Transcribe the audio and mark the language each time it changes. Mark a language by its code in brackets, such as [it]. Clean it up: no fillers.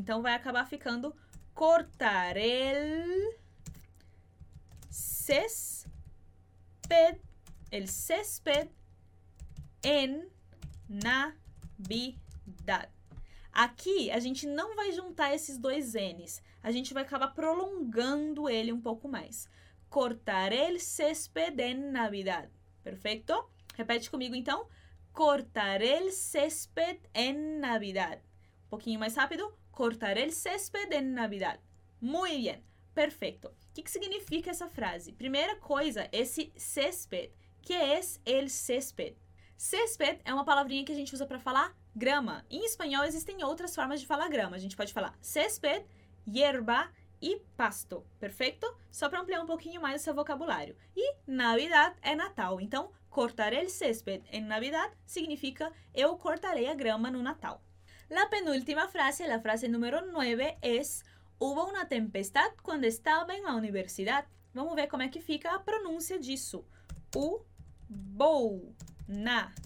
[pt] Então vai acabar ficando [es] cortaré el césped. El césped en Navidad. [pt] Aqui, a gente não vai juntar esses dois N's. A gente vai acabar prolongando ele um pouco mais. [es] Cortaré el césped en Navidad. [pt] Perfeito? Repete comigo, então. [es] Cortaré el césped en Navidad. [pt] Um pouquinho mais rápido. [es] Cortaré el césped en Navidad. Muy bien. [pt] Perfeito. O que significa essa frase? Primeira coisa, esse césped. Que é el césped? Césped é uma palavrinha que a gente usa para falar grama. Em espanhol, existem outras formas de falar grama. A gente pode falar césped, hierba e pasto. Perfeito? Só para ampliar um pouquinho mais o seu vocabulário. E Navidad é Natal. Então, [es] cortar el césped en Navidad [pt] significa eu cortarei a grama no Natal. [es] La penúltima frase, la frase número 9, es hubo una tempestad cuando estaba en la universidad. [pt] Vamos ver como é que fica a pronúncia disso. [es] Hubo na.